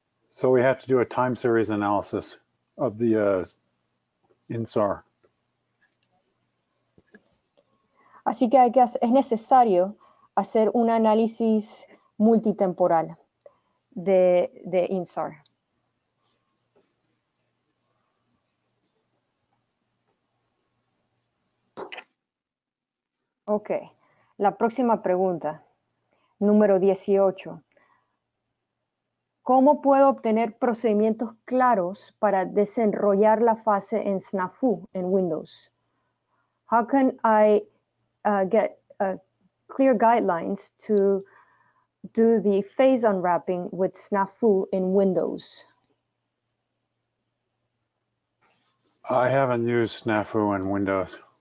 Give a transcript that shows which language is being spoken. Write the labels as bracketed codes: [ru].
[en] So we have to do a time series analysis of the INSAR. [es] Así que es necesario hacer un análisis multitemporal de INSAR. Ok, la próxima pregunta, número 18. ¿Cómo puedo obtener procedimientos claros para desenrollar la fase en SNAFU en Windows? [en] How can I get clear guidelines to do the phase unwrapping with SNAFU in Windows? I haven't used SNAFU in Windows.